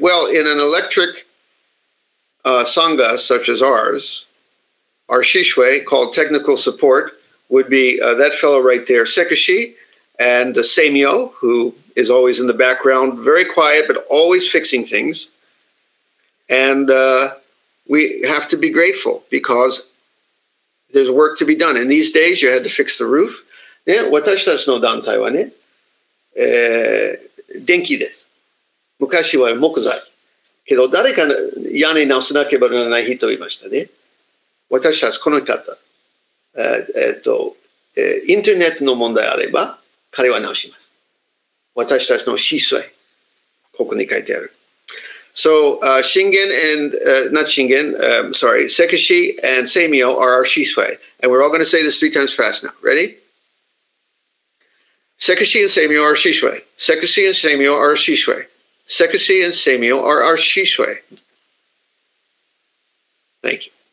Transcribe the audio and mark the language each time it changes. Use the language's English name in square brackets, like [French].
[English] Well, in an electric sangha such as ours, our shishwe, called technical support, would be that fellow right there, Sekishi, and the Seimyo, who is always in the background, very quiet, but always fixing things. And we have to be grateful because there's work to be done. In these days, you had to fix the roof. [Japanese] ね、私たちの団体はね、電気です。昔は木材。けど誰かの屋根直さなければならない人いましたね。私たちこの方、インターネットの問題あれば彼は直します。私たちの思想ここに書いてある。 [English] So Shingen and not Shingen sorry Sekishi and Seimyo are our 思想 and we're all going to say this three times fast now. Ready? Sekishi and Seimyo are 思想 Sekishi and Seimyo are 思想 Sekishi and Seimyo are our 思想 Thank you.